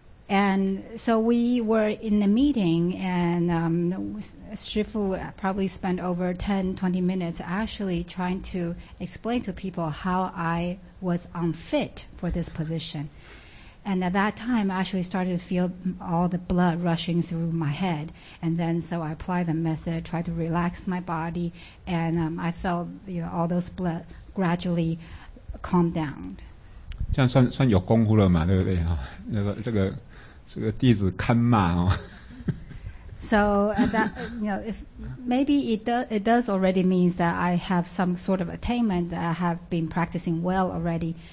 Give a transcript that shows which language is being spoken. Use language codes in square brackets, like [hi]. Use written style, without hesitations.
[en] And so we were in the meeting, and Shifu probably spent over 10-20 minutes actually trying to explain to people how I was unfit for this position. And at that time, I actually started to feel all the blood rushing through my head. And then so I applied the method, tried to relax my body, and I felt all those blood gradually calm down. [zh] 这样 算有功夫了嘛，对不对？这个弟子堪骂哦。 [en] So that if maybe it does already means that I have some sort of attainment, that I have been practicing well already.